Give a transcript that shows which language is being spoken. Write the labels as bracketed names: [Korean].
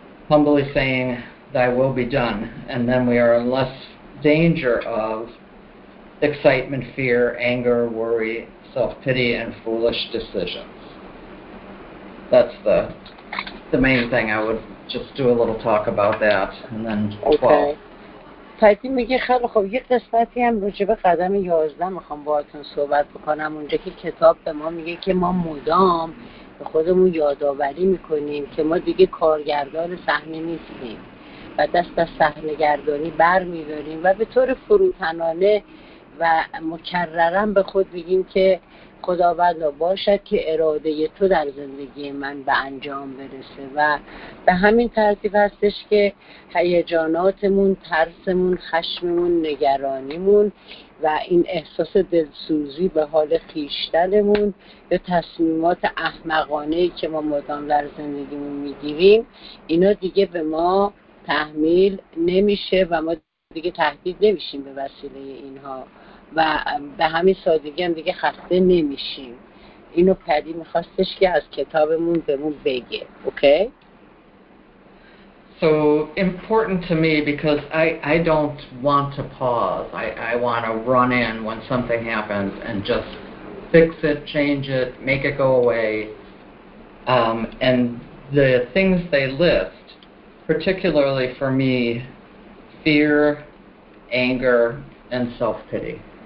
[English] Humbly saying, "Thy will be done," and then we are in less danger of excitement, fear, anger, worry, self-pity, and foolish decisions. That's the main thing. I would just do a little talk about that, and then 12. Okay. [Persian] پایتی میگه خیلی خوب، یه قسمتی هم راجع به قدم 11 میخوام باهاتون صحبت بکنم. اونجا که کتاب به ما میگه که ما مدام به خودمون یادآوری میکنیم که ما دیگه کارگردان صحنه نیستیم و دست از صحنه گردانی بر میداریم و به طور فروتنانه و مکررم به خود بگیم که خداوند باشد که اراده تو در زندگی من به انجام برسه. و به همین ترتیب هستش که هیجاناتمون، ترسمون، خشممون، نگرانیمون و این احساس دلسوزی به حال خیشتنمون یا تصمیمات احمقانهی که ما مدام در زندگیمون میگیریم، اینا دیگه به ما تحمیل نمیشه و ما دیگه تهدید نمیشیم به وسیله اینها و به همین سادگی هم دیگه خسته نمیشیم. اینو پدی میخواستش که از کتابمون بهمون بگه. اوکی؟ [English] So important to me because I don't want to pause. I want to run in when something happens and just fix it, change it, make it go away. And the things they list, particularly for me, fear, anger, and self-pity.